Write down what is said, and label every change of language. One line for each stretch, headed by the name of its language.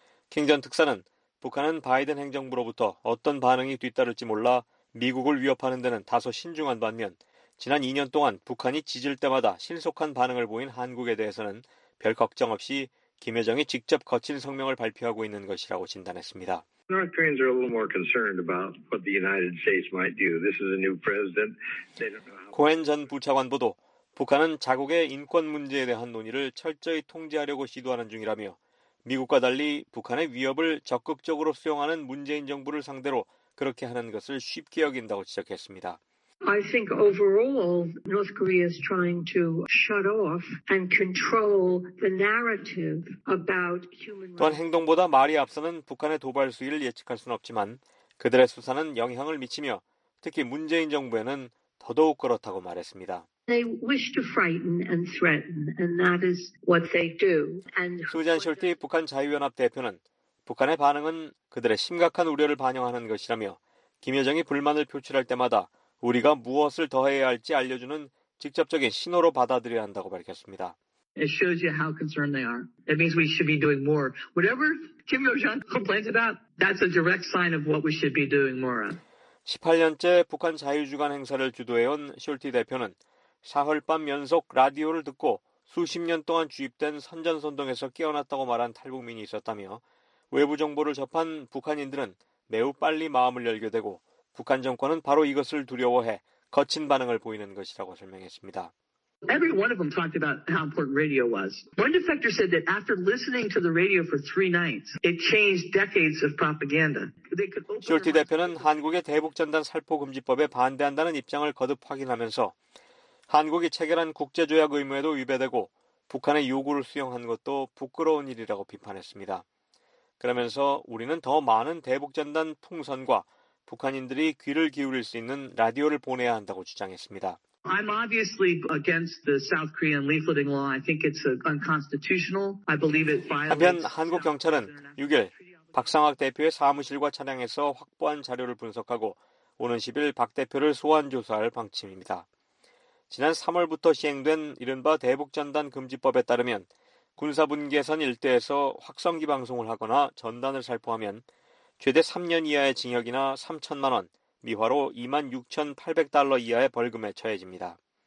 Korean: 킹 전 특사는 북한은 바이든 행정부로부터 어떤 반응이 뒤따를지 몰라 미국을 위협하는 데는 다소 신중한 반면 지난 2년 동안 북한이 지질 때마다 신속한 반응을 보인 한국에 대해서는 별 걱정 없이 김여정이 직접 거친 성명을 발표하고 있는 것이라고 진단했습니다.
English: North Koreans are a little more concerned about what the United States might do. This is a new president. They don't know how.
Korean: 코엔 전 부차관 보도 북한은 자국의 인권 문제에 대한 논의를 철저히 통제하려고 시도하는 중이라며 미국과 달리 북한의 위협을 적극적으로 수용하는 문재인 정부를 상대로 그렇게 하는 것을 쉽게 여긴다고 지적했습니다.
English: I think overall North Korea is trying to shut off and control the narrative about human rights.
Korean: 또한 행동보다 말이 앞서는 북한의 도발 수위를 예측할 수는 없지만 그들의 수사는 영향을 미치며 특히 문재인 정부에는 더더욱 그렇다고 말했습니다.
English: They wish to frighten and threaten, and that is what they do. And
Korean: 수잔 숄티 북한 자유연합 대표는 북한의 반응은 그들의 심각한 우려를 반영하는 것이라며 김여정이 불만을 표출할 때마다 우리가 무엇을 더해야 할지 알려주는 직접적인 신호로 받아들여야 한다고 밝혔습니다.
English: It shows you how concerned they are. It means we should be doing more. Whatever Kim Yo-jong complains about, that's a direct sign of what we should be doing more of.
Korean: 18년째 북한 자유주간 행사를 주도해온 숄티 대표는 사흘 밤 연속 라디오를 듣고 수십 년 동안 주입된 선전선동에서 깨어났다고 말한 탈북민이 있었다며 외부 정보를 접한 북한인들은 매우 빨리 마음을 열게 되고 북한 정권은 바로 이것을 두려워해 거친 반응을 보이는 것이라고 설명했습니다.
English: Every one of them talked about how important radio was. One defector said that after listening to the radio for three nights, it changed decades of propaganda.
Korean: 숄티 대표는 한국의 대북전단 살포금지법에 반대한다는 입장을 거듭 확인하면서 한국이 체결한 국제조약 의무에도 위배되고 북한의 요구를 수용한 것도 부끄러운 일이라고 비판했습니다. 그러면서 우리는 더 많은 대북전단 풍선과 북한인들이 귀를 기울일 수 있는 라디오를 보내야 한다고 주장했습니다.
English: I'm obviously against the South Korean leafleting law. I think it's unconstitutional. I believe it violates.
Korean: 한편 한국 경찰은 6일 박상학 대표의 사무실과 차량에서 확보한 자료를 분석하고 오는 10일 박 대표를 소환 조사할 방침입니다. 지난 3월부터 시행된 이른바 대북전단 금지법에 따르면 군사분계선 일대에서 확성기 방송을 하거나 전단을 살포하면 최대 3년 이하의 징역이나 3천만 원, 미화로 26,800달러 이하의 벌금에 처해집니다.